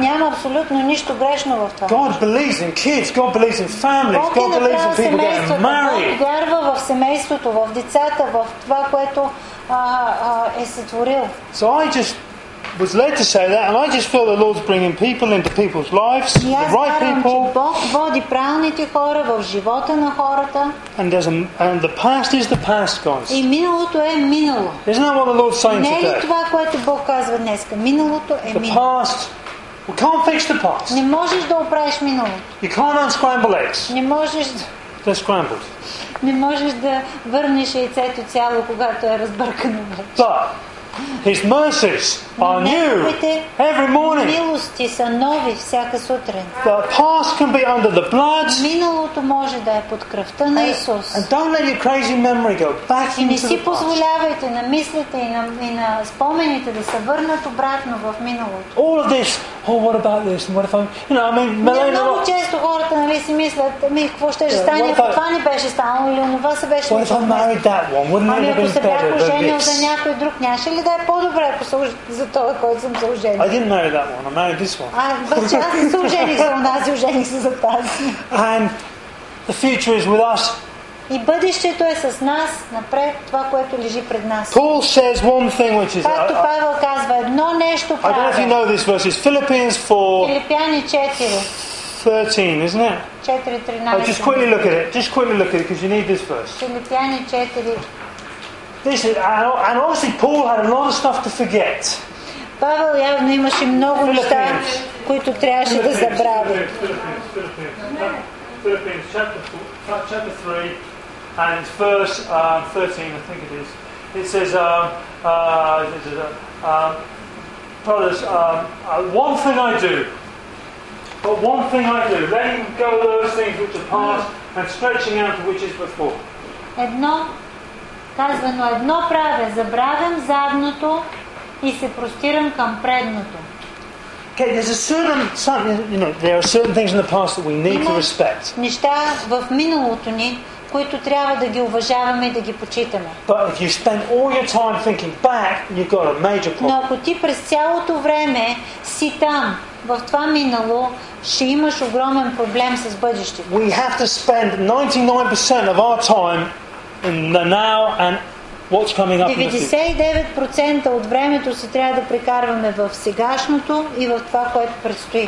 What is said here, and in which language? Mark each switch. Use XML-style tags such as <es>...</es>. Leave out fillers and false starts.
<bg>Няма абсолютно нищо грешно в това.</bg> <en>God believes in kids, God believes in families, God believes in people getting married.</en> <bg>Бог вярва в семейството, в децата, в това, което е сътворил.</bg> <en>So I just was led to say that, and I just feel the Lord's bringing people into people's lives, the right people.</en> <bg>Бог води правилните хора в живота на хората.</bg> <en>And the past is the past, guys.</en> <bg>И миналото е минало.</bg> <en>Isn't that what the Lord's saying today?</en> <bg>Не е това, което Бог казва днес. Миналото е минало.</bg> <en>The past. We can't fix the past.</en> <bg>Не можеш да оправиш миналото.</bg> <en>You can't unscramble eggs.</en> <bg>Не можеш.</bg> <en>They're scrambled.</en> <bg>Не можеш да върнеш яйцето цяло, когато е разбъркано.</bg> <en>But His mercies are new every morning.</en> <bg>Милости са нови всяка сутрин.</bg> <en>The past can be under the blood.</en> <bg>Миналото може да е под кръвта на Исус.</bg> <en>And don't let your crazy memory go back into the past.</en> <bg>И не си позволявайте на мислите и на спомените да се върнат обратно в миналото.</bg> <en>All of this. Oh, what about this? What if I'm, you know, I mean,</en> <bg>много често хората нали си мислят, ми какво ще стане, ако това не беше станало или онова се беше станало.</bg> <en>What if I married that one? Wouldn't it have been better?</en> <bg>Ако се бях оженил за някой друг, нямаше ли да е по-добре за това, който съм се оженил?</bg> <en>I didn't marry that one. I married this one.</en> <bg>Бачи, аз не се ожених за онази, ожених се за тази.</bg> <en>And the future is with us.</en> <bg>И бъдещето е с нас, напред това, което лежи пред нас.</bg> <en>Paul says one thing which is</en> <bg>Както Павел казва, едно нещо прави.</bg> <en>I don't know if you know this verse. It's Philippians 4.</en> <bg>Филипяни 4.</bg> <en>13, isn't it?</en> <bg>4:13.</bg> <en>Oh, just quickly look at it. Just quickly look at it because you need this verse.</en> <bg>Филипяни 4.</bg> <en>This is, and honestly, Paul had a lot of stuff to forget.</en> <bg>Павел явно имаше много неща, които трябваше да забрави.</bg> <en>Philippians chapter 3 and it's verse 13, I think it is. It says, brothers, one thing I do, but one thing I do, letting go of those things which are past and stretching out to which is before.</en> <bg>Едно, казва, но едно правя, забравям задното и се простирам към предното.</bg> <en>Okay, there's a certain something, you know, there are certain things in the past that we need to respect.</en> <bg>Неща в миналото ни, които трябва да ги уважаваме и да ги почитаме.</bg> <en>But if you spend all your time thinking back, you've got a major problem.</en> <bg>Но ако ти през цялото време си там, в това минало, ще имаш огромен проблем с бъдещето.</bg> <en>We have to spend 99% of our time in the now and what's coming up in the future.</en> <bg>99% от времето си трябва да прекарваме в сегашното и в това, което предстои.</bg>